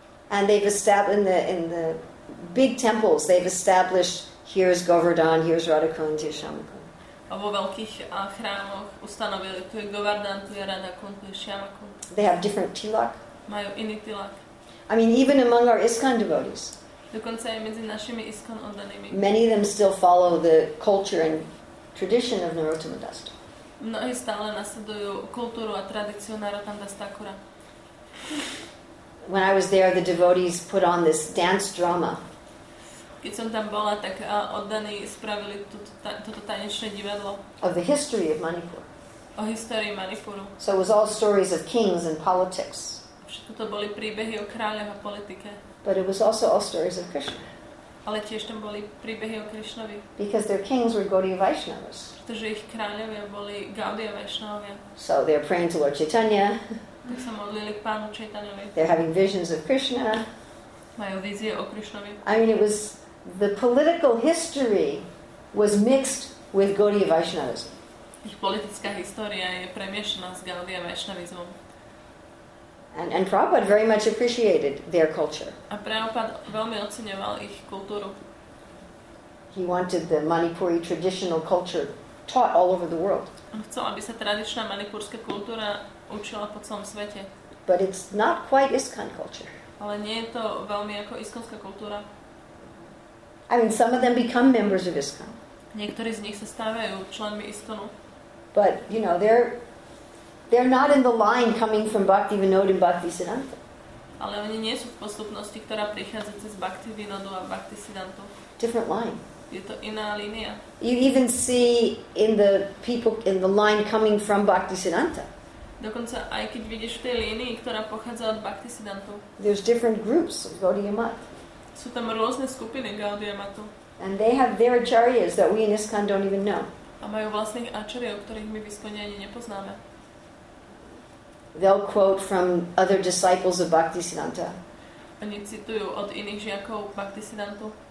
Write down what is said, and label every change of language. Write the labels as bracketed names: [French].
[English] And they've established in the big temples, they've established here's Govardhan, here's Radhakund, here's Shyamakund. [Slovak] A vo veľkých chrámoch ustanovili, tu je Govardhan, tu je Radhakund, tu je Shyamakund. [English] They have different tilak. [Slovak] Majú iný tilak. [English] I mean, even among our ISKCON devotees. [Slovak] Dokonca aj medzi našimi ISKCON oddanými. [English] Many of them still follow the culture and tradition of Narottama Das Thakura. [Slovak] Mnohí stále nasledujú kultúru a tradíciu Narottama Das Thakura. [English] When I was there, the devotees put on this dance drama. [Slovak] Keď som tam bola, tak oddaní spravili toto tanečné divadlo. [English] Of the history of Manipur. [Slovak] O histórii Manipuru. [English] So it was all stories of kings and politics. [Slovak] Všetko to boli príbehy o kráľoch a politike. [English] But it was also all stories of Krishna. [Slovak] Ale tiež tam boli príbehy o Krishnovi. [English] Because their kings were Gaudiya Vaishnavas. [Slovak] Pretože ich kráľovia boli Gaudiya Vaishnavia. [English] So they are praying to Lord Chaitanya. [Slovak] Tak sa modlili k pánu Chaitanyovi. [English] They're having visions of Krishna. [Slovak] Majú vízie o Krishnovi. [English] I mean, it was the political history was mixed with Gaudiya Vaishnavism. [Slovak] Ich politická história je premiešaná s Gaudiya Vaishnavizmom. [English] And Prabhupada very much appreciated their culture. [Slovak] A Prabhupada veľmi oceňoval ich kultúru. [English] He wanted the Manipuri traditional culture taught all over the world. [Slovak] On chcel, aby sa tradičná manipurská kultúra učila po celom svete. [English] But it's not quite ISKCON culture. [Slovak] Ale nie je to veľmi ako iskonská kultúra. [English] I mean, some of them become members of ISKCON. [Slovak] Niektorí z nich sa stávajú členmi ISKCONu. [English] But, you know, they're not in the line coming from Bhakti Vinod and Bhakti Siddhanta. [Slovak] Ale oni nie sú v postupnosti, ktorá prichádza cez Bhakti Vinodu a Bhakti Siddhantu. [English] Different line. [Slovak] Je to iná línia. [English] You even see in the people in the line coming from Bhakti Siddhanta. [Slovak] Dokonca aj keď vidíš v tej línii, ktorá pochádza od Bhakti Siddhantu. [English] There's different groups of Gaudiya Math. [Slovak] Sú tam rôzne skupiny Gaudiya Mathu. [English] And they have their acharyas that we in ISKCON don't even know. [Slovak] A majú vlastných acharyov, ktorých my v ISKCONe ani nepoznáme. [English] They'll quote from other disciples of Bhakti Siddhanta. [Slovak] Oni citujú od iných žiakov Bhakti Siddhantu.